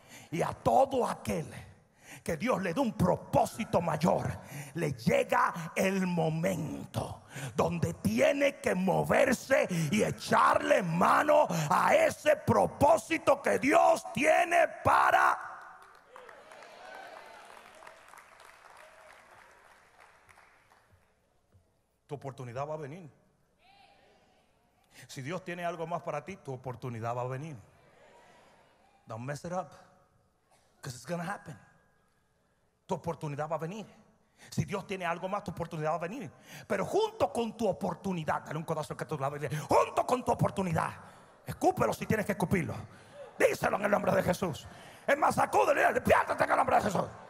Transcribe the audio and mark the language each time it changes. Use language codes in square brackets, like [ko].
[es] Y a todo aquel que Dios le dé un propósito mayor, le llega el momento donde tiene que moverse y echarle mano a ese propósito que Dios tiene para. Tu oportunidad va a venir. Si Dios tiene algo más para ti, tu oportunidad va a venir. [en] Don't mess it up, because it's gonna happen. [es] Tu oportunidad va a venir. Si Dios tiene algo más, tu oportunidad va a venir. Pero junto con tu oportunidad, dale un codazo que tú la ves. Junto con tu oportunidad, escúpelo si tienes que escupirlo. Díselo en el nombre de Jesús. Es más, sacúdelo, despiértate en el nombre de Jesús.